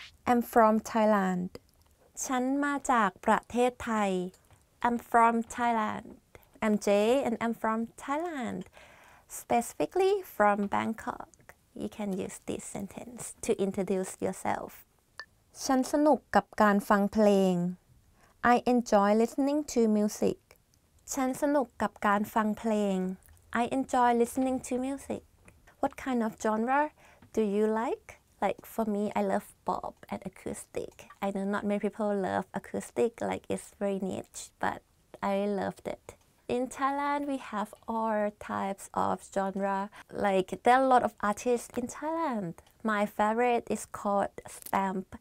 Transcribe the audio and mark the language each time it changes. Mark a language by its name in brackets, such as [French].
[English] I'm from Thailand. [Thai] ฉันมาจากประเทศไทย [English] I'm from Thailand. I'm Jay and I'm from Thailand. Specifically from Bangkok. You can use this sentence to introduce yourself. [Thai] ฉันสนุกกับการฟังเพลง [English] I enjoy listening to music [Thai] ฉันสนุกกับการฟังเพลง [English] I enjoy listening to music What kind of genre do you like? Like for me, I love pop and acoustic I know not many people love acoustic Like it's very niche But I loved it In Thailand, we have all types of genre Like there are a lot of artists in ThailandMy favorite is called Stamp.